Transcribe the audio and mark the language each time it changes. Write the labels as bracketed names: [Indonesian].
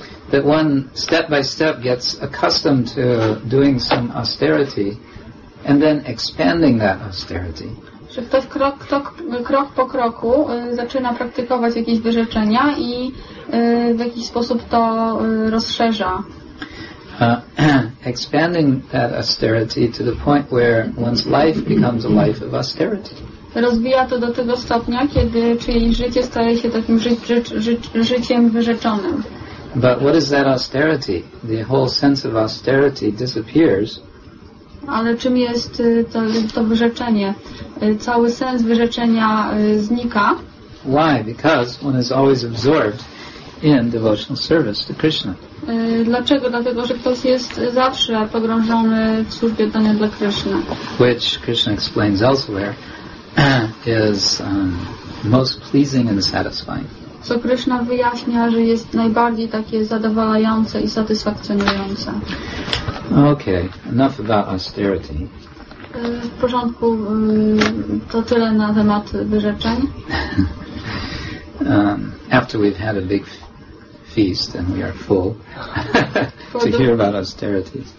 [English] that one step by step gets accustomed to doing some austerity and then expanding that austerity. [Polish] Że ktoś krok po kroku zaczyna praktykować jakieś wyrzeczenia i w jakiś sposób to rozszerza. [English] expanding that austerity to the point where one's life becomes a life of austerity. [Polish] Rozwija to do tego stopnia, kiedy czyjeś życie staje się takim życiem wyrzeczonym. [English] But what is that austerity? The whole sense of austerity disappears. [Polish] Ale czym jest to wyrzeczenie? Cały sens wyrzeczenia znika. [English] Why? Because one is always absorbed in devotional service to Krishna. [Polish] Dlaczego? Dlatego, że ktoś jest zawsze pogrążony w służbie oddania dla Krishna. [English] Which Krishna explains elsewhere is most pleasing and satisfying. [Polish] Co Krishna wyjaśnia, że jest najbardziej takie zadowalające i satysfakcjonujące. [English] Okay, enough about austerity. [Polish] W porządku, to tyle na temat wyrzeczeń. [English] After we've had a big feast and we are full to hear about austerity.